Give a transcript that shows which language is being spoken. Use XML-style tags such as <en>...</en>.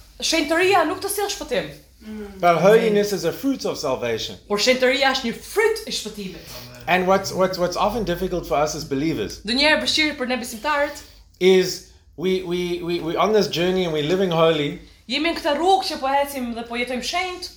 <sq>Shenjtëria nuk të sjell shpëtim.</sq> <en>But holiness is a fruit of salvation.</en> <sq>Por shenjtëria është një fryt e shpëtimit.</sq> <en>And what's often difficult for us as believers?</en> <sq>Ndonjëherë vështirë për ne besimtarët</sq> <en>is we on this journey and we're living holy.</en> <sq>Jemi në këtë rrugë që po ecim dhe po jetojmë shenjt.</sq>